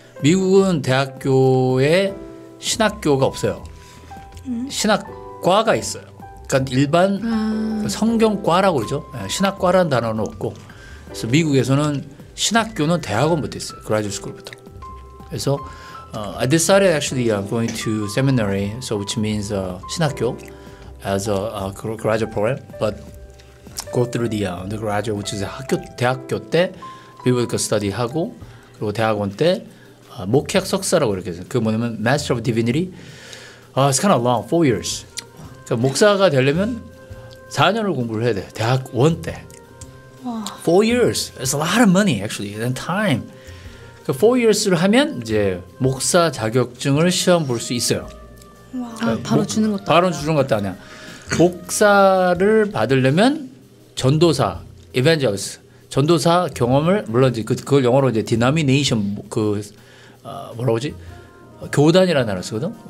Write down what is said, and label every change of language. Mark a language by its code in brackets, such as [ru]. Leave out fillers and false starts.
[ko] 미국은 대학교에 신학교가 없어요. 신학과가 있어요. 그러니까 일반 성경과라고 그러죠. 신학과라는 단어는 없고, 그래서 미국에서는 신학교는 대학원부터 있어요. [en] Graduate school부터. [ko] 그래서 [en] I decided actually I'm going to seminary, so which means 신학교 as a graduate program, but go through the undergraduate, which is [ko] 학교 대학교 때 [en] biblical study [ko] 하고, 그리고 대학원 때 목회학 석사라고 이렇게 해서, 그 뭐냐면 [en] master of divinity. It's kind of long, 4 years. [ko] 그러니까 목사가 되려면 4년을 공부를 해야 돼, 대학원 때. 와. [en] 4 years. It's a lot of money actually and time. [ko] 4 years를 하면 이제 목사 자격증을 시험 볼 수 있어요. 와, 바로 주는 것도 바로 주는 것도 아니야. 목사를 받으려면 전도사, evangelist, 전도사 경험을 물론 이제 그걸 영어로 이제 denomination 그 뭐라고지 교단이라는 단어 쓰거든.